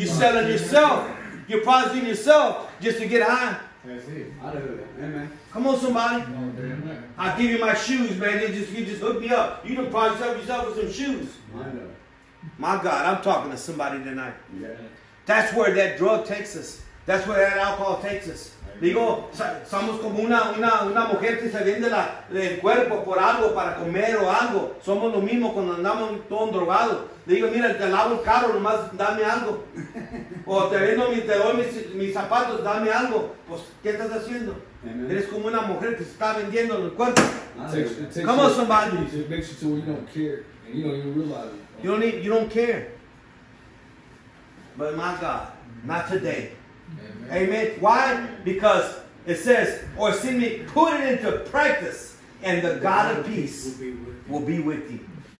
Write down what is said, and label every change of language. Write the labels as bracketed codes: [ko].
[en] You're selling yourself. You're prostituting yourself just to get high. That's it. I do it. Amen. Come on, somebody. No, damn I'll give you my shoes, man. You just hook me up. You done prostitute yourself with some shoes. I know. My God, I'm talking to somebody tonight. Yeah. That's where that drug takes us. That's where that alcohol takes us. Amen. [es] Digo, somos como una mujer que se vende del cuerpo por algo, para comer o algo. Somos lo mismo cuando andamos todos drogados. Digo, mira, te lavo el carro, nomás dame algo. O te vendo, te doy mis zapatos, dame algo. Pues, ¿qué estás haciendo? Amen. Eres como una mujer que se está vendiendo el cuerpo. [en] Come on, somebody. It makes you to where you don't care. And you don't even realize it. You don't care. But my God, not today. Amen. Amen. Why? Because it says, or see me, put it into practice, and the God of peace will be with you.